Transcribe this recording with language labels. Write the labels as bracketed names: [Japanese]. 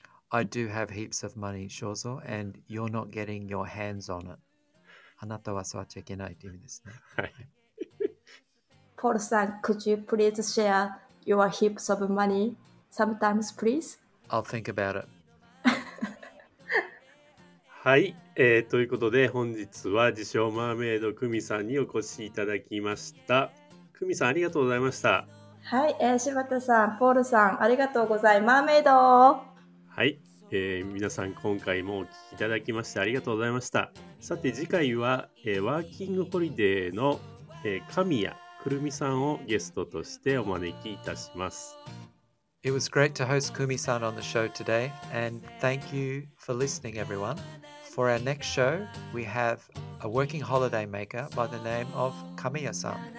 [English] I do have heaps of money, Shozo, and you're not getting your hands on it。 [Japanese] あなたは触っちゃいけないという意味ですね。 [English] ポールさん、Could you please share your heaps of money sometimes, please? I'll think about it。 [Japanese] はい、ということで本日は自称マーメイドクミさんにお越しいただきました。クミさん、ありがとうございました。はい、柴田さん、ポールさん、ありがとうございます。マーメイド、はい、皆さん今回もお聞きいただきましてありがとうございました。さて次回は、ワーキングホリデーの、神谷くるみさんをゲストとしてお招きいたします。 [English] It was great to host Kumi-san on the show today, and thank you for listening, everyone. For our next show, we have a working holiday maker by the name of Kamiya-san.